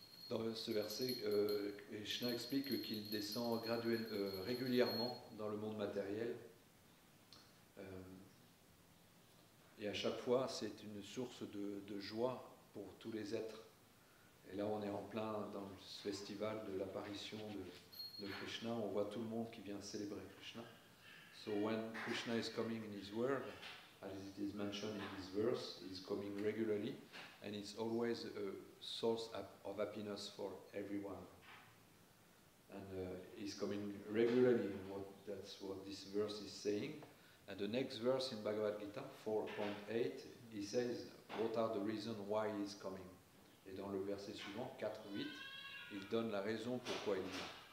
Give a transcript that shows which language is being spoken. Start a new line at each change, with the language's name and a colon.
French: Dans ce verset, Krishna explique qu'il descend régulièrement dans le monde matériel. Et à chaque fois, c'est une source de joie pour tous les êtres. Et là, on est en plein dans ce festival de l'apparition de Krishna. On voit tout le monde qui vient célébrer Krishna.
English: So when Krishna is coming in his world, as it is mentioned in this verse, he's coming regularly, and it's always a source of happiness for everyone. And he's coming regularly, that's what this verse is saying. And the next verse in Bhagavad Gita, 4.8, he says, what are the reasons why he is coming?
French: Et dans le verset suivant, 4.8, il donne la raison pourquoi il vient.